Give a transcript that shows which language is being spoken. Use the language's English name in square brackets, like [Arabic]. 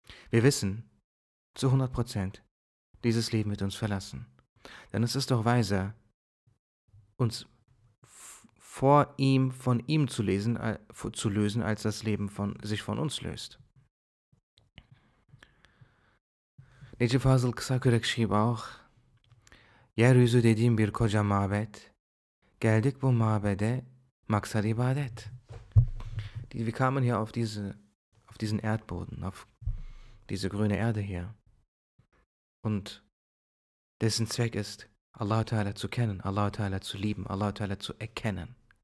[German] Wir wissen zu 100%, dieses Leben wird uns verlassen. Denn es ist doch weiser, uns vor ihm, von ihm zu lösen, als das Leben sich von uns löst. [Turkish] Necip Fazıl Kısakürek [German] schrieb auch: [Turkish] Yeryüzü dediğim bir koca mabet, geldik bu mabede maksad ibadet. [German] Wir kamen hier auf diesen Erdboden, auf diese grüne Erde hier. Und dessen Zweck ist, Allah Ta'ala zu kennen, Allah Ta'ala zu lieben, Allah Ta'ala zu erkennen.